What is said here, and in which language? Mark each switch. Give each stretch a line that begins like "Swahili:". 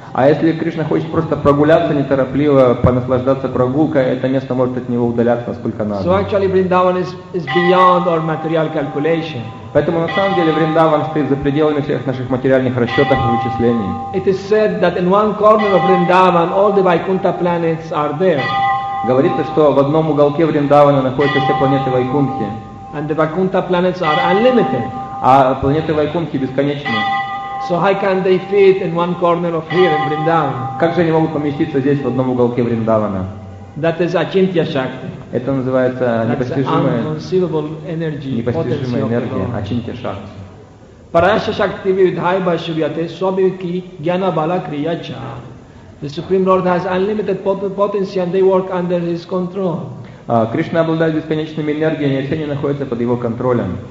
Russian: А если Кришна хочет просто прогуляться неторопливо, понаслаждаться прогулкой, это место может от него удаляться сколько надо.
English: So actually, Vrindavan is beyond our material calculation.
Russian: Поэтому на самом деле Вриндаван стоит за пределами всех наших материальных расчетов и вычислений.
English: It is said that in one corner of Vrindavan all the Vaikuntha planets are there.
Russian: Говорится, что в одном уголке Вриндавана находятся все планеты Вайкунхи.
English: And the Vaikuntha planets are unlimited.
Russian: А планеты Вайкунхи бесконечны.
English: So how can they fit in one corner of here in Vrindavan?
Russian: Как же они могут поместиться здесь в одном уголке Вриндавана?
English: That is Achintya Shakti.
Russian: Это называется непостижимая,
English: unconceivable energy,
Russian: непостижимая энергия, Achintya Shakti.
Sanskrit: Parashya Shakti Vidhaiva Shubhyate Swabhiki Gyana Bala Kriyacha.
English: The Supreme Lord has unlimited potency and they work under his control.
Russian: Кришна обладает бесконечными энергиями, и все они находятся под его контролем.